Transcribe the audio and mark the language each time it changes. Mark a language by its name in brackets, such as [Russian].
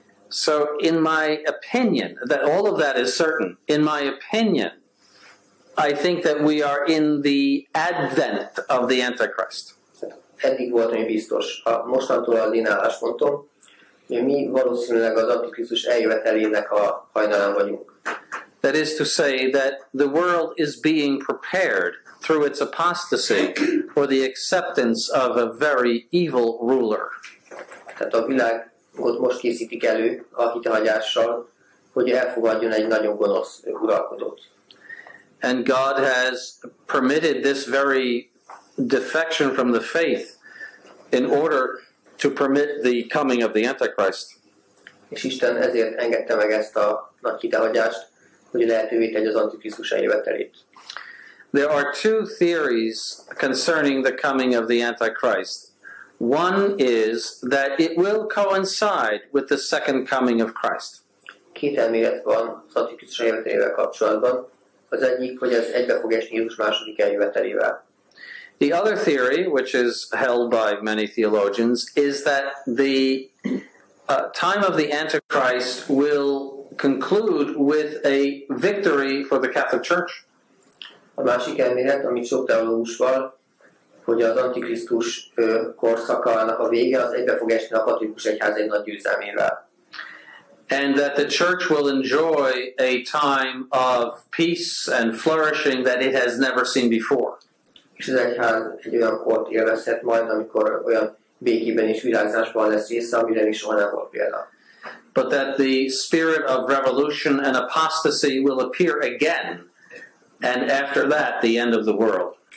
[English] So, in my opinion, that all of that is certain. In my opinion, I think that we are in the advent of the Antichrist. [Hungarian] Eddig volt ami biztos. A mostantól az én álláspontom, hogy mi valószínűleg az Antikrisztus eljövetelének a hajnalán vagyunk. [English] That is to say that the world is being prepared through its apostasy for the acceptance of a very evil ruler. [Hungarian] Tehát a világot most készítik elő a hitelhagyással, hogy elfogadjon egy nagyon gonosz uralkodót. [English] And God has permitted this very defection from the faith in order to permit the coming of the Antichrist. [Hungarian] És Isten ezért engedte meg ezt a nagy hitelhagyást, hogy lehetővé tegye az Antikrisztus eljövetelét. [English] There are two theories concerning the coming of the Antichrist. One is that it will coincide with the second coming of Christ. [Hungarian] Két elmélet van az Antikrisztus eljövetelével kapcsolatban. Az egyik, hogy ez egybe fog esni Jézus második eljövetelével. [English] The other theory, which is held by many theologians, is that the time of the Antichrist will conclude with a victory for the Catholic Church. [Hungarian] A másik elmélet, amit sok teológus val, hogy az Antikrisztus korszakának a vége az egybe fog esni a katolikus egyház egy nagy győzelmével. [English] And that the church will enjoy a time of peace and flourishing that it has never seen before. [Hungarian] És az egyház egy olyan kort élvezhet majd, amikor olyan békében és virágzásban lesz része, amire még soha nem volt példa. [English] But that the spirit of revolution and apostasy will appear again, and after that, the end of the world.